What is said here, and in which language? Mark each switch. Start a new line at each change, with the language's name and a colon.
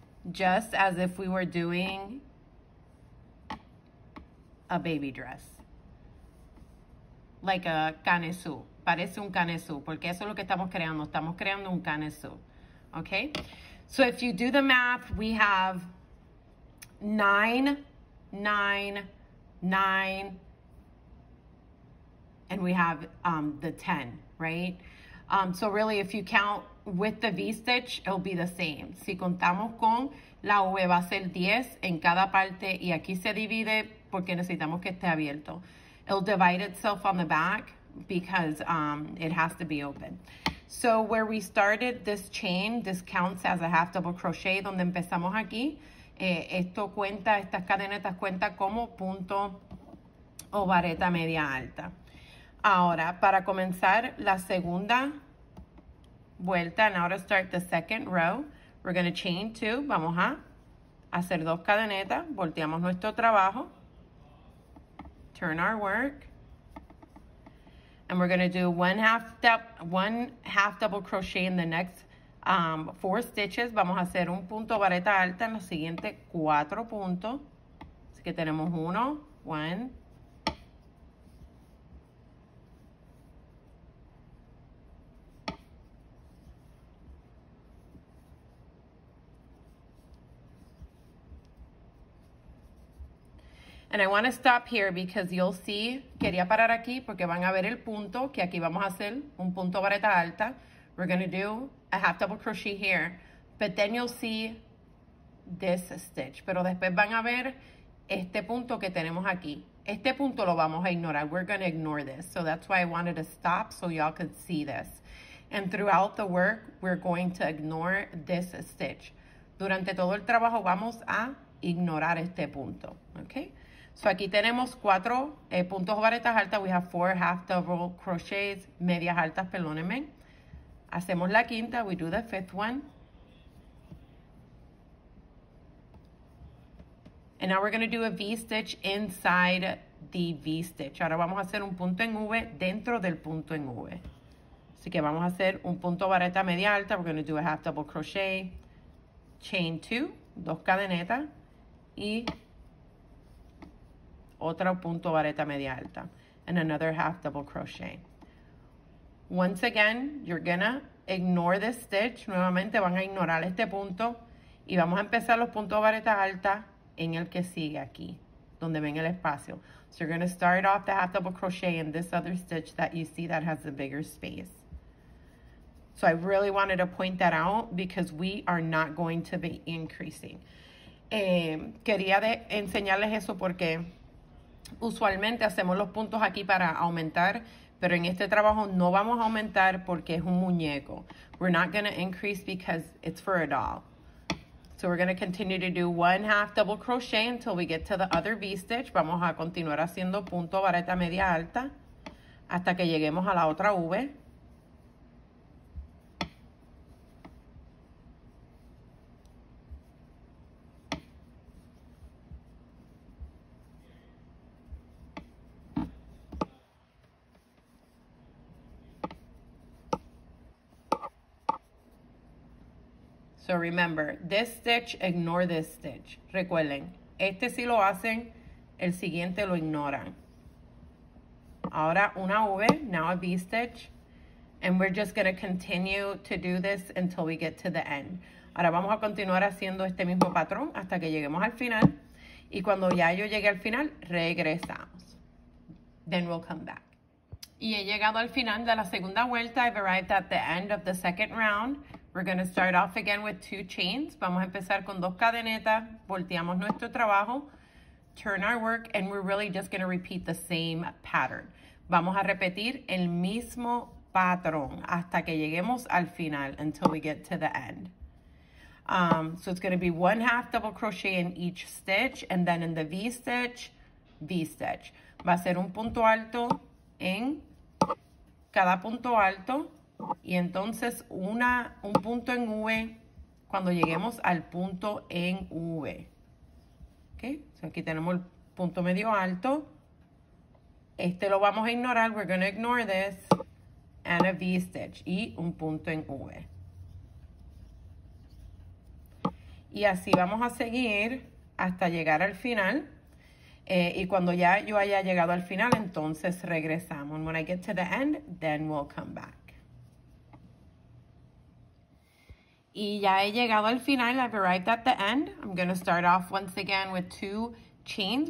English: Just as if we were doing a baby dress. Like a canesú.
Spanish: Parece un canesú, porque eso es lo que estamos creando. Estamos creando un canesú.
English: Okay, so if you do the math, we have 9, 9, 9, and we have the 10, right? So really, if you count with the V-stitch, it'll be the same.
Spanish: Si contamos con la V, va a ser 10 en cada parte, y aquí se divide porque necesitamos que esté abierto.
English: It'll divide itself on the back because it has to be open. So where we started this chain, this counts as a half double crochet.
Spanish: Donde empezamos aquí, esto cuenta, estas cadenetas cuenta como punto o vareta media alta. Ahora, para comenzar la segunda vuelta,
English: and now to start the second row, we're going to chain two.
Spanish: Vamos a hacer dos cadenetas. Volteamos nuestro trabajo.
English: Turn our work. And we're going to do one half double crochet in the next 4 stitches.
Spanish: Vamos a hacer un punto vareta alta en los siguientes 4 puntos. Así que tenemos 1, 1, 2.
English: And I want to stop here because you'll see.
Spanish: Quería parar aquí porque van a ver el punto que aquí vamos a hacer un punto vareta alta.
English: We're going to do a half double crochet here, but then you'll see this stitch.
Spanish: Pero después van a ver este punto que tenemos aquí. Este punto lo vamos a ignorar.
English: We're going to ignore this. So that's why I wanted to stop so y'all could see this. And throughout the work, we're going to ignore this stitch.
Spanish: Durante todo el trabajo vamos a ignorar este punto. Okay? So aquí tenemos 4 puntos o varetas altas.
English: We have 4 half double crochets,
Spanish: medias altas, perdónenme. Hacemos la quinta,
English: we do the fifth one. And now we're going to do a V-stitch inside the V-stitch.
Spanish: Ahora vamos a hacer un punto en V dentro del punto en V. Así que vamos a hacer un punto vareta media alta.
English: We're going to do a half double crochet, chain two,
Spanish: dos cadenetas, y otro punto vareta media alta,
English: and another half double crochet. Once again, you're going to ignore this stitch.
Spanish: Nuevamente van a ignorar este punto, y vamos a empezar los puntos vareta alta en el que sigue aquí, donde ven el espacio.
English: So you're going to start off the half double crochet in this other stitch that you see that has the bigger space. So I really wanted to point that out because we are not going to be increasing.
Spanish: Quería enseñarles eso porque usualmente hacemos los puntos aquí para aumentar, pero en este trabajo no vamos a aumentar porque es un muñeco.
English: We're not going to increase because it's for a doll. So we're going to continue to do one half double crochet until we get to the other V-stitch.
Spanish: Vamos a continuar haciendo punto vareta media alta hasta que lleguemos a la otra V.
English: So remember, this stitch, ignore this stitch.
Spanish: Recuerden, este sí lo hacen, el siguiente lo ignoran. Ahora una V,
English: now a V stitch. And we're just going to continue to do this until we get to the end.
Spanish: Ahora vamos a continuar haciendo este mismo patrón hasta que lleguemos al final. Y cuando ya yo llegue al final, regresamos.
English: Then we'll come back.
Spanish: Y he llegado al final de la segunda vuelta.
English: I've arrived at the end of the second round. We're going to start off again with two chains.
Spanish: Vamos a empezar con dos cadenetas. Volteamos nuestro trabajo.
English: Turn our work. And we're really just going to repeat the same pattern.
Spanish: Vamos a repetir el mismo patrón hasta que lleguemos al final,
English: until we get to the end. So it's going to be one half double crochet in each stitch. And then in the V-stitch, V-stitch.
Spanish: Va a ser un punto alto en cada punto alto. Y entonces un punto en V cuando lleguemos al punto en V. Okay? So aquí tenemos el punto medio alto. Este lo vamos a ignorar.
English: We're going to ignore this. And a V-stitch.
Spanish: Y un punto en V. Y así vamos a seguir hasta llegar al final. Y cuando ya yo haya llegado al final, entonces regresamos.
English: When I get to the end, then we'll come back.
Spanish: Y ya he llegado al final.
English: I've arrived at the end. I'm going to start off once again with two chains.